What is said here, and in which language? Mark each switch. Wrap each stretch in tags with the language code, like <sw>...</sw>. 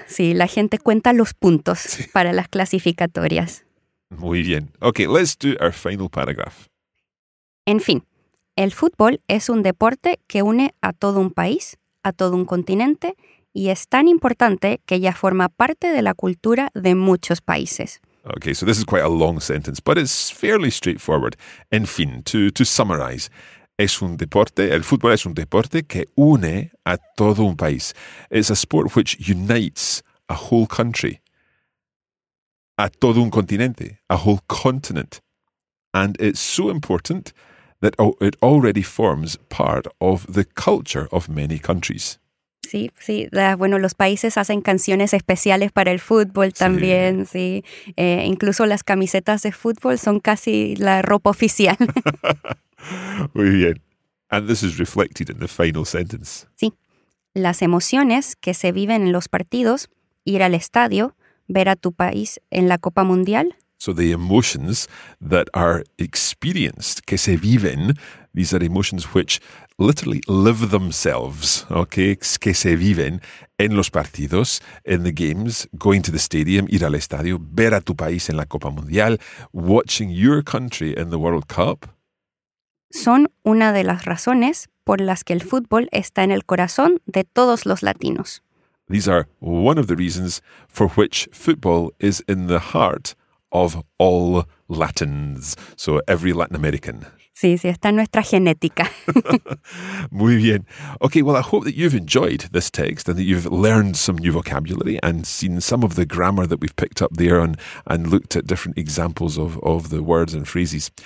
<es>Sí, la gente cuenta los puntos para las clasificatorias. Muy bien.</es> <en>Okay, let's do our final paragraph.</en> <es>En fin, el fútbol es un deporte que une a todo un país, a todo un continente, y es tan importante que ya forma parte de la cultura de muchos países.</es> <en>Okay, so this is quite a long sentence, but it's fairly straightforward.</en> <es>En fin,</es> <en>to summarize,</en> <es>es un deporte, el fútbol es un deporte que une a todo un país.</es> <en>It's a sport which unites a whole country,</en> <es>a todo un continente,</es> <en>a whole continent. And it's so important that it already forms part of the culture of many countries.</en> <es>Sí, sí. Bueno, los países hacen canciones especiales para el fútbol también, sí. Incluso las camisetas de fútbol son casi la ropa oficial. Muy bien.</es> <en>And this is reflected in the final sentence.</en> <es>Sí. Las emociones que se viven en los partidos, ir al estadio, ver a tu país en la Copa Mundial.</es> <en>So the emotions that are experienced,</en> <es>que se viven,</es> <en>these are emotions which literally live themselves, okay,</en> <es>que se viven en los partidos,</es> <en>in the games, going to the stadium,</en> <es>ir al estadio, ver a tu país en la Copa Mundial,</es> <en>watching your country in the World Cup.</en> <es>Son una de las razones por las que el fútbol está en el corazón de todos los latinos.</es> <en>These are one of the reasons for which football is in the heart of all Latins, so every Latin American.</en> <es>Sí, sí, está en nuestra genética. Muy bien.</es> <en>Okay, well, I hope that you've enjoyed this text and that you've learned some new vocabulary and seen some of the grammar that we've picked up there and looked at different examples of the words and phrases.</en>